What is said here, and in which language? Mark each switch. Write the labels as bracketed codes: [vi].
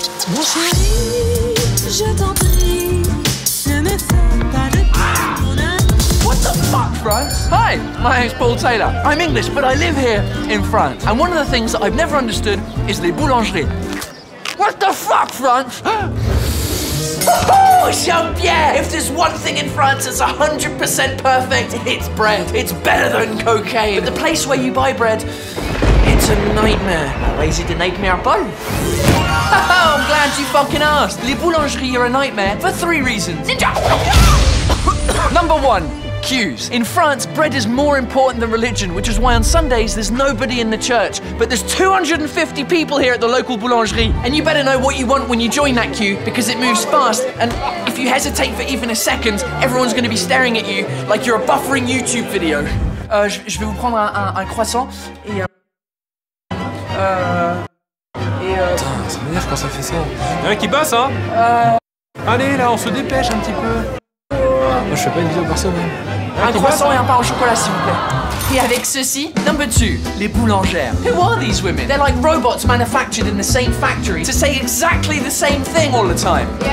[fr] Mon chéri, je t'en prie, ne me fais pas de mon ami. [en] What the fuck, bro? Hi, my name's Paul Taylor. I'm English, but I live here in France. And one of the things that I've never understood is les boulangeries. What the fuck, France? Oh, Jean-Pierre! If there's one thing in France that's 100% perfect, it's bread. It's better than cocaine. But the place where you buy bread, it's a nightmare. Lazy de nightmare bun. Oh, I'm glad you fucking asked. Les boulangeries are a nightmare for three reasons. Ninja! Number one. Queues. In France, bread is more important than religion, which is why on Sundays there's nobody in the church. But there's 250 people here at the local boulangerie. And you better know what you want when you join that queue, because it moves fast. And if you hesitate for even a second, everyone's going to be staring at you like you're a buffering YouTube video. [fr] Je vais vous prendre un croissant et un... Putain, ça m'énerve quand ça fait ça. Y'en a un qui passe, hein? Allez, là, on se dépêche un petit peu. Je fais pas une vidéo personne. Un croissant et un pain au chocolat, s'il vous plaît. Et avec ceci, [en] number two, [fr] les boulangères. [en] Who are these women? They're like robots manufactured in the same factory to say exactly the same thing all the time.